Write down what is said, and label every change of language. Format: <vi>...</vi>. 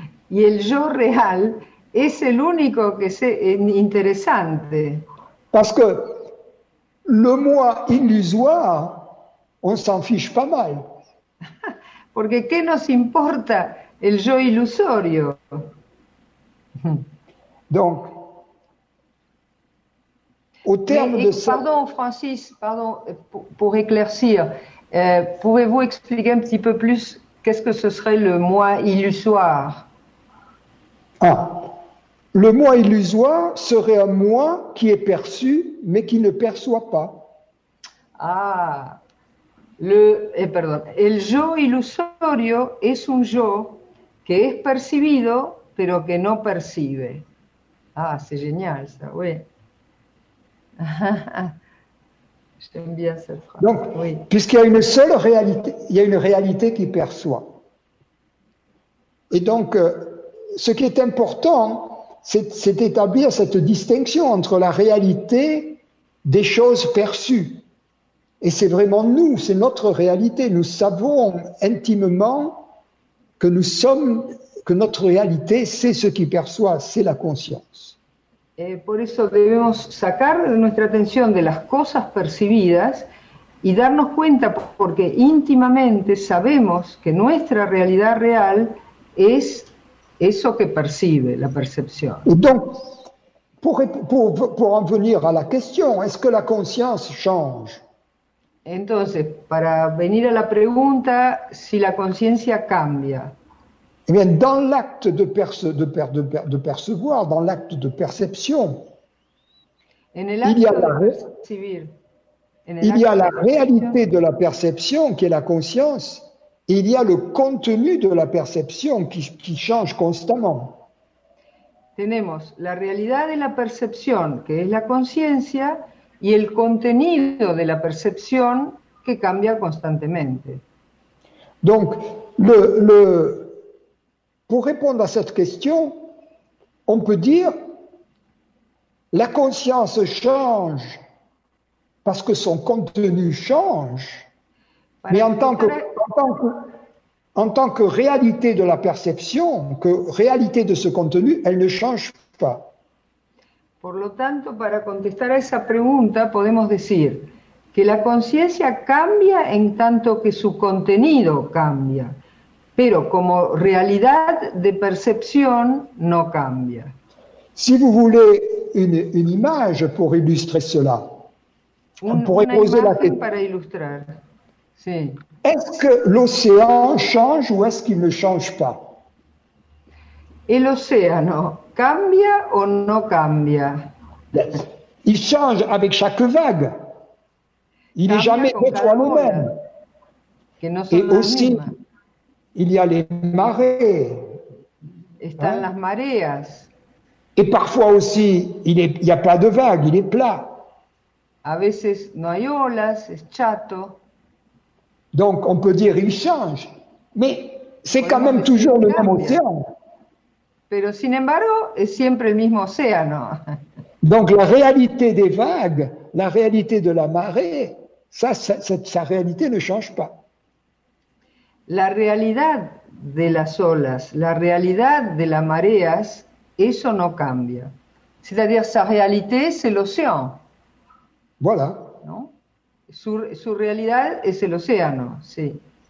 <es>Y el yo real es el único que es interesante.</es> <fr>Parce que le moi illusoire, on s'en fiche pas mal.</fr> <es>Porque qué nos importa el yo ilusorio.</es> <fr>Donc, au terme de ça. Pardon, Francis, pardon, pour éclaircir, pouvez-vous expliquer un petit peu plus qu'est-ce que ce serait le moi illusoire? Ah. Le moi illusoire serait un moi qui est perçu, mais qui ne perçoit pas.</fr> <es>Ah, el yo illusorio es un yo que es percibido, pero que no percibe.</es> <fr>Ah, c'est génial ça, oui. J'aime bien cette phrase. Donc, oui. Puisqu'il y a une seule réalité, il y a une réalité qui perçoit. Et donc, ce qui est important, c'est d'établir cette distinction entre la réalité des choses perçues. Et c'est vraiment nous, c'est notre réalité. Nous savons intimement que nous sommes, que notre réalité, c'est ce qui perçoit, c'est la conscience.</fr> <es>Et por eso debemos sacar nuestra atención de las cosas percibidas y darnos cuenta, porque íntimamente sabemos que nuestra realidad real es eso que percibe, la percepción.</es> <fr>Et donc, pour en venir à la question, est-ce que la conscience change?</fr> <es>Entonces, para venir a la pregunta, si la conciencia cambia.</es> <fr>Eh bien, dans l'acte de percevoir, dans l'acte de perception, il y a la réalité de la perception qui est la conscience, et il y a le contenu de la perception qui change constamment.</fr> <es>Tenemos la realidad de la percepción, que es la conciencia, y el contenido de la percepción que cambia constantemente.</es> <fr>Donc, le pour répondre à cette question, on peut dire la conscience change parce que son contenu change, mais en tant que réalité de la perception, que réalité de ce contenu, elle ne change pas.</fr> <es>Por lo tanto, para contestar a esa pregunta, podemos decir que la conciencia cambia en tanto que su contenido cambia. Pero como realidad de percepción no cambia.</es> <fr>Si vous voulez une image pour illustrer cela, on pourrait poser la question.</fr> <es>Para ilustrar. Sí.</es> <fr>Est-ce que l'océan change ou est-ce qu'il ne change pas?</fr> <es>El océano cambia o no cambia?</es> <fr>Il change avec chaque vague. Il n'est jamais deux fois le même.</fr> <es>Que no son</es> <fr>Et aussi.</fr> <es>Mismas.</es> <fr>Il y a les marées.</fr> <es>Están las mareas.</es> <fr>Et parfois aussi, il n'y a pas de vagues, il est plat.</fr> <es>A veces no hay olas, es chato.</es> <fr>Donc on peut dire il change, mais c'est quand même toujours le même océan.</fr> <es>Pero sin embargo, es siempre el mismo océano.</es> <fr>Donc la réalité des vagues, la réalité de la marée, sa réalité ne change pas.</fr> <es>La realidad de las olas, la realidad de las mareas, eso no cambia.</es> <fr>C'est-à-dire, sa réalité, c'est l'océan. Voilà.</fr> <es>¿No? Su realidad es el océano, sí.</es>